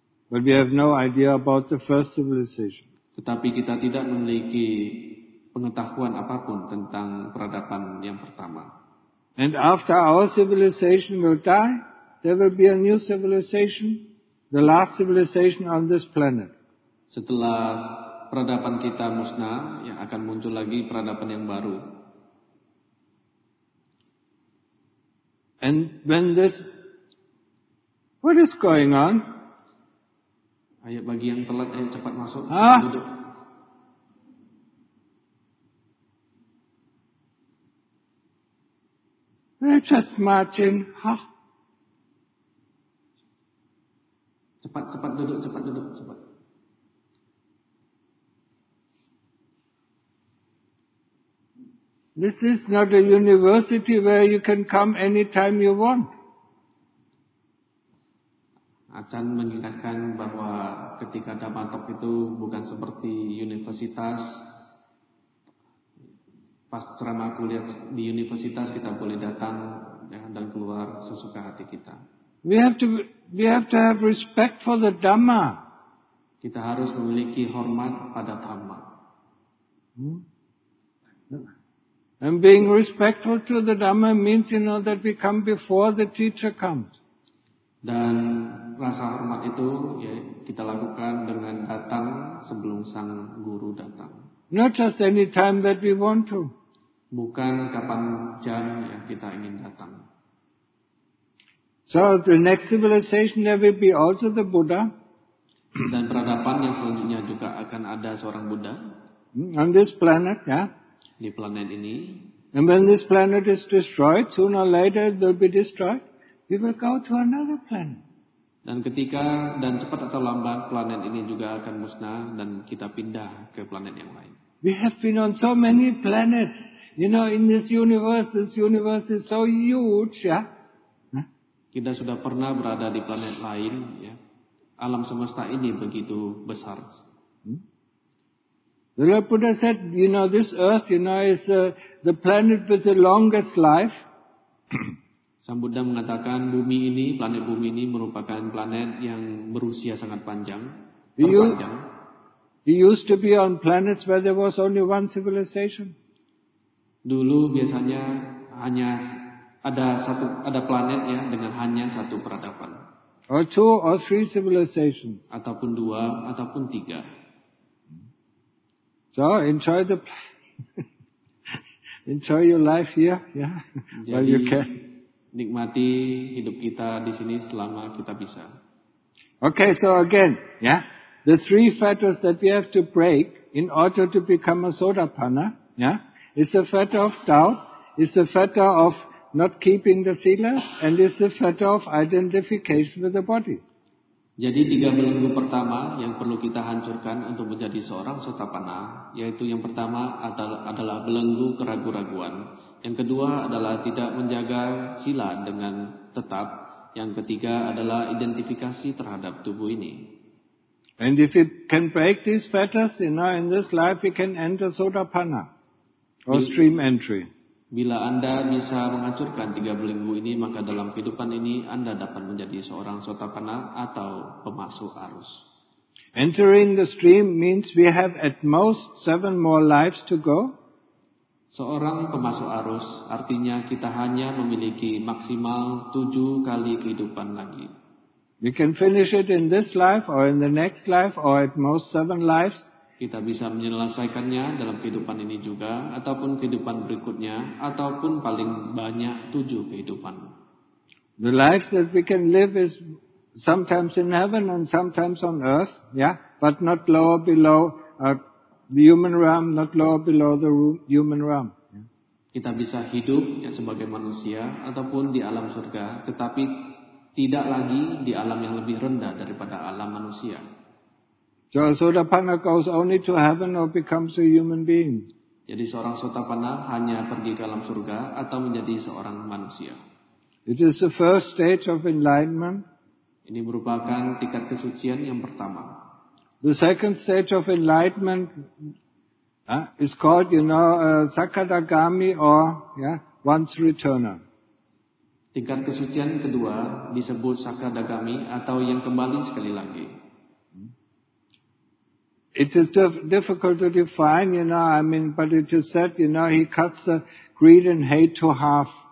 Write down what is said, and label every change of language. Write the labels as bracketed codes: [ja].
[en] But we have no idea about the first civilization. [id] Tetapi kita tidak memiliki pengetahuan apapun tentang peradaban yang pertama. [en] And after our civilization will die, there will be a new civilization, the last civilization on this planet. [id] Setelah peradaban kita musnah, yang akan muncul lagi peradaban yang baru. [en] And when this, what is going on? [id] Ayo bagi yang telat, ayo cepat masuk. Huh? Duduk. [en] They're just marching. Huh? [id] Cepat, cepat duduk, cepat duduk, cepat. [en] This is not a university where you can come anytime you want. [id] Acan mengingatkan bahwa ketika Damantok itu bukan seperti universitas. Pas ceramah kuliah di universitas kita boleh datang dan keluar sesuka hati kita. [en] We have to have respect for the Dhamma. [id] Kita harus memiliki hormat pada Dhamma. [en] And being respectful to the Dhamma means, you know, that we come before the teacher comes. [id] Dan rasa hormat itu ya, kita lakukan dengan datang sebelum sang guru datang. [en] Not just any time that we want to. [id] Bukan kapan jam yang kita ingin datang. [en] So the next civilization there will be also the Buddha. [id] Dan peradaban yang selanjutnya juga akan ada seorang Buddha. [en] On this planet, ya. Yeah. [id] Di planet ini. [en] And when this planet is destroyed, sooner or later it will be destroyed. We will go to another planet. [id] Dan ketika dan cepat atau lambat planet ini juga akan musnah dan kita pindah ke planet yang lain. [en] We have been on so many planets. You know, in this universe is so huge, ya. Yeah? [id] Kita sudah pernah berada di planet lain, ya. Alam semesta ini begitu besar. [en] The Lord Buddha said, you know, this earth, you know, is the planet with the longest life. [id] Sang Buddha mengatakan bumi ini, planet bumi ini merupakan planet yang berusia sangat panjang. Terpanjang. [en] He used to be on planets where there was only one civilization. [id] Dulu biasanya hanya ada planet ya dengan hanya satu peradaban. [en] Or two or three civilizations. [id] Ataupun dua ataupun tiga. [en] So enjoy the enjoy your life here, yeah. [id] Jadi, [en] while you can. [id] Nikmati hidup kita di sini selama kita bisa. [en] Okay, so again, yeah, the three fetters that we have to break in order to become a sotapanna, yeah. It's the fetter of doubt, it's the fetter of not keeping the sila, and it's the fetter of identification with the body. [id] Jadi tiga belenggu pertama yang perlu kita hancurkan untuk menjadi seorang sotapanna, yaitu yang pertama adalah belenggu keragu-raguan. Yang kedua adalah tidak menjaga sila dengan tetap. Yang ketiga adalah identifikasi terhadap tubuh ini. [en] And if we can break these fetters, you know, in this life we can enter sotapanna. Or stream entry. [id] Bila Anda bisa menghancurkan tiga belenggu ini, maka dalam kehidupan ini Anda dapat menjadi seorang sotapanna atau pemasuk arus. [en] Entering the stream means we have at most seven more lives to go. [id] Seorang pemasuk arus artinya kita hanya memiliki maksimal 7 kali kehidupan lagi. [en] We can finish it in this life or in the next life or at most 7 lives. [id] Kita bisa menyelesaikannya dalam kehidupan ini juga, ataupun kehidupan berikutnya, ataupun paling banyak 7 kehidupan. [en] The lives that we can live is sometimes in heaven and sometimes on earth, yeah, but not lower below the human realm, not lower below the human realm. [id] Kita bisa hidup ya, sebagai manusia ataupun di alam surga, tetapi tidak lagi di alam yang lebih rendah daripada alam manusia. [en] So a sotapanna goes only to heaven or becomes a human being. [id] Jadi seorang sotapanna hanya pergi ke alam surga atau menjadi seorang manusia. [en] It is the first stage of enlightenment. [id] Ini merupakan tingkat kesucian yang pertama. [en] The second stage of enlightenment is called, you know, Sakadagami or yeah, once returner. [id] Tingkat kesucian kedua disebut Sakadagami atau yang kembali sekali lagi. [en] It is difficult to define, you know, I mean, but it is said, you know, he cuts the greed and hate to half.